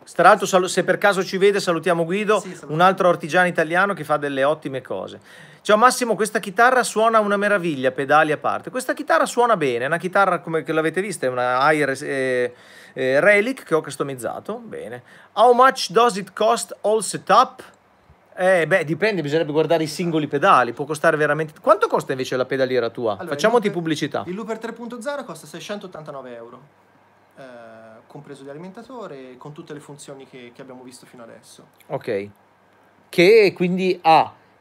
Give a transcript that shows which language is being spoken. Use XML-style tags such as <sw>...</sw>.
<it>Tra l'altro, se per caso ci vede, salutiamo Guido, un altro artigiano italiano che fa delle ottime cose. Ciao Massimo, questa chitarra suona una meraviglia, pedali a parte. Questa chitarra suona bene, è una chitarra come che l'avete vista, è una Air Relic che ho customizzato, bene.</it> <en>How much does it cost all setup?</en> <it>Beh, dipende, bisognerebbe guardare i singoli pedali, può costare veramente... Quanto costa invece la pedaliera tua? Allora, facciamoti pubblicità. Il Looper 3.0 costa 689 euro, compreso di alimentatore, con tutte le funzioni che abbiamo visto fino adesso. Ok, che quindi ha...</it>